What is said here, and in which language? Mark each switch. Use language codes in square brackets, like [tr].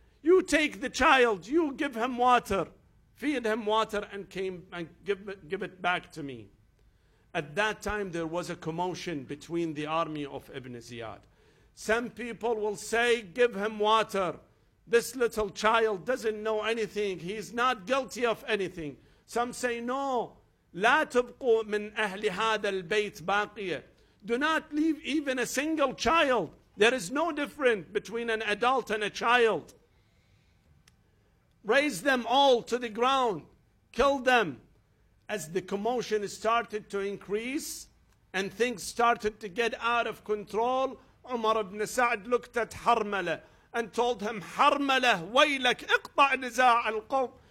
[en] You take the child. You give him water. Feed him water and give it back to me. At that time, there was a commotion between the army of Ibn Ziyad. Some people will say, give him water. This little child doesn't know anything. He's not guilty of anything. Some say, no. [ar] لا تبقوا من أهل هذا البيت باقية. [en] Do not leave even a single child. There is no difference between an adult and a child. Raise them all to the ground. Kill them. As the commotion started to increase and things started to get out of control, Umar ibn Sa'd looked at Harmala and told him, Harmala, [ar] waylak, iqta' niza' al-qawm.